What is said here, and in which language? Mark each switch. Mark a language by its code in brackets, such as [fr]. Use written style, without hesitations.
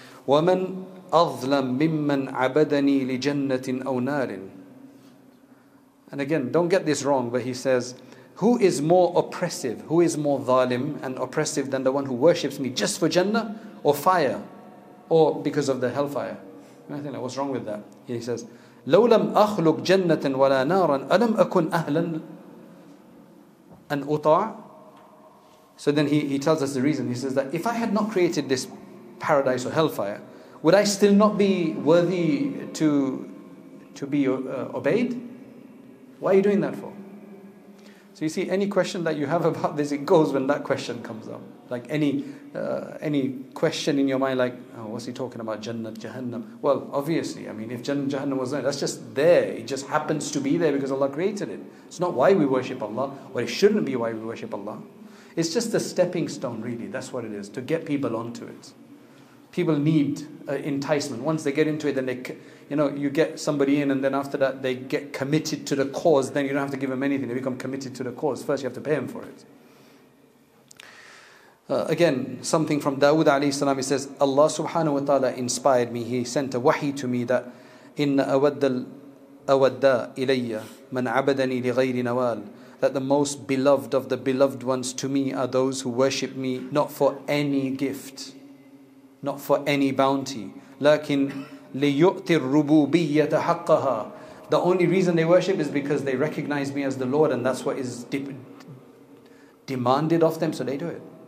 [ar] وَمَنْ أَظْلَمْ مِمَّنْ عَبَدَنِي لِجَنَّةٍ أَوْ نَارٍ. [en] And again, don't get this wrong, but he says, who is more oppressive, who is more zalim and oppressive than the one who worships me just for Jannah or fire or because of the hellfire? And I think, like, what's wrong with that? He says, [ar] لَوْ لَمْ أَخْلُقْ جَنَّةً وَلَا نَارًا أَلَمْ أَكُنْ أَهْلًا أَنْ أُطَاعَ. [en] So then he tells us the reason. He says that if I had not created this paradise or hellfire, would I still not be worthy to be obeyed? Why are you doing that for? So you see, any question that you have about this, it goes when that question comes up. Like any question in your mind, like, oh, what's he talking about, Jannah, Jahannam? Well, obviously, I mean, if Jannah, Jahannam was there, that's just there. It just happens to be there because Allah created it. It's not why we worship Allah, or it shouldn't be why we worship Allah. It's just a stepping stone, really. That's what it is, to get people onto it. People need enticement. Once they get into it, then they, you know, you get somebody in, and then after that they get committed to the cause. Then you don't have to give them anything. They become committed to the cause. First you have to pay them for it. Again, something from Dawood alayhi salam. He says, Allah subhanahu wa ta'ala inspired me. He sent a wahi to me that [ar] إِنَّ أَوَدَّ الْأَوَدَّى إِلَيَّ مَنْ عَبَدَنِي لِغَيْرِ نَوَالٍ. [en] That the most beloved of the beloved ones to me are those who worship me not for any gift, not for any bounty. [ar] لَكِنْ لِيُؤْتِ الرُّبُوبِيَّةَ حَقَّهَا. [en] The only reason they worship is because they recognize me as the Lord, and that's what is demanded of them, so they do it.